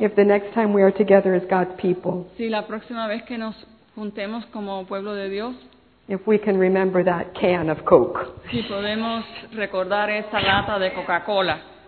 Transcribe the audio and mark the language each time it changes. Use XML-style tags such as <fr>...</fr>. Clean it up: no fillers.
<en>if the next time we are together as God's people,</en> <es>si la próxima vez que nos juntemos como pueblo de Dios,</es> <en>if we can remember that can of Coke.</en> <es>Si podemos recordar esa lata de Coca-Cola.</es>